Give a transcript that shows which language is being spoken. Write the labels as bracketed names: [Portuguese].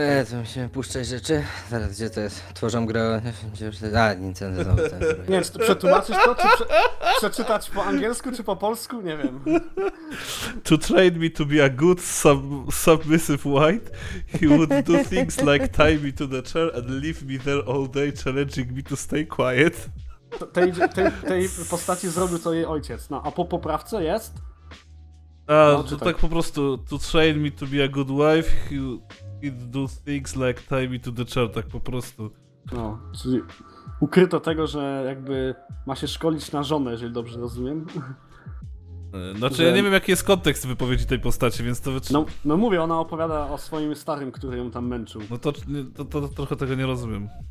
[Polish] To musimy puszczać rzeczy. Zaraz, gdzie to jest? Tworzą grę... A, Nintendo znowu. Nie wiem, czy przetłumaczysz to, czy przeczytać po angielsku, czy po polsku? Nie wiem. [English] To train me to be a good submissive white, he would do things like tie me to the chair and leave me there all day, challenging me to stay quiet. [Polish] Tej postaci zrobił to jej ojciec. No, a po poprawce jest? Tak po prostu. [English] To train me to be a good wife, he... I do things like tie me to the chair, [Polish] tak po prostu. No, czyli ukryto tego, że jakby ma się szkolić na żonę, jeżeli dobrze rozumiem. Znaczy, że... ja nie wiem, jaki jest kontekst wypowiedzi tej postaci, więc to wytrzyma. No mówię, ona opowiada o swoim starym, który ją tam męczył. No to trochę tego nie rozumiem.